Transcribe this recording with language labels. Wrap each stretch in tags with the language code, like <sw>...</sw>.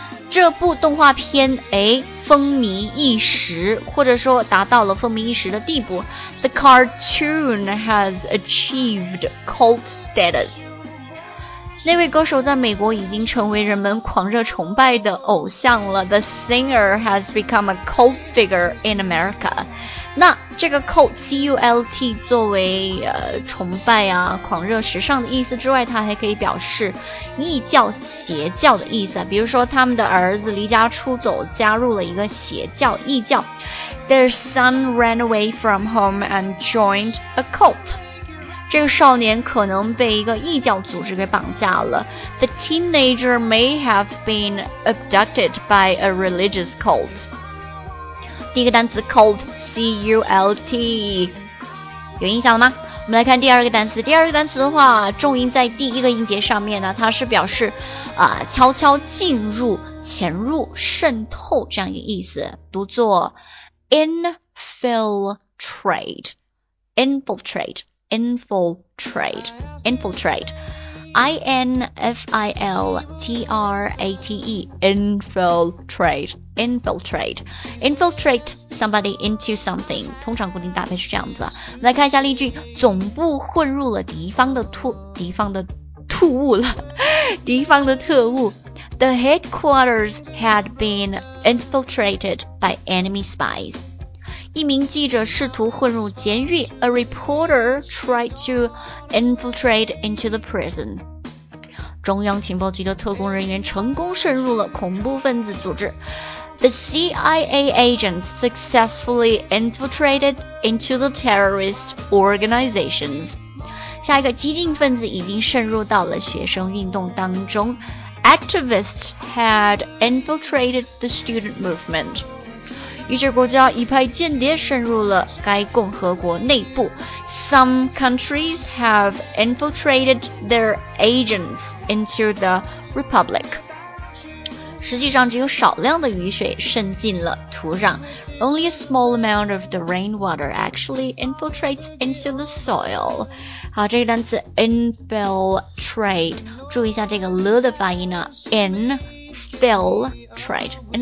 <zh>这部动画片哎，风靡一时，或者说达到了风靡一时的地步。</zh> <en>The cartoon has achieved cult status。</en> <zh>那位歌手在美国已经成为人们狂热崇拜的偶像了。</zh> <en>The singer has become a cult figure in America。</en> <zh>那这个 cult C-U-L-T 作为崇拜啊狂热时尚的意思之外，它还可以表示异教邪教的意思啊，比如说他们的儿子离家出走加入了一个邪教异教。</zh> <en>Their son ran away from home and joined a cult。</en> <zh>这个少年可能被一个异教组织给绑架了。</zh> <en>The teenager may have been abducted by a religious cult。</en> <zh>第一个单词 cultCULT 有印象了吗？我们来看第二个单词，第二个单词的话重音在第一个音节上面呢，它是表示悄悄进入潜入渗透这样一个意思，读作 infiltrate</zh> <en>infiltrate somebody into something，</en> <zh>通常固定搭配是这样子。来看一下例句，总部混入了敌方的特务。</zh> <en>The headquarters had been infiltrated by enemy spies。</en> <zh>一名记者试图混入监狱，</zh> <en>A reporter tried to infiltrate into the prison。</en> <zh>中央情报局的特工人员成功渗入了恐怖分子组织。</zh> <en>The CIA agents successfully infiltrated into the terrorist organizations。</en> <zh>下一个，激进分子已经渗入到了学生运动当中。</zh> <en>Activists had infiltrated the student movement。</en> <zh>一些国家一派间谍渗入了该共和国内部。</zh> <en>Some countries have infiltrated their agents into the republic。</en> <zh>实际上只有少量的雨水渗进了土壤。</zh> <en>Only a small amount of the rainwater actually infiltrates into the soil。</en> <zh>好，这个单词 infiltrate， 注意一下这个 l 的发音呢， infiltrate。</zh>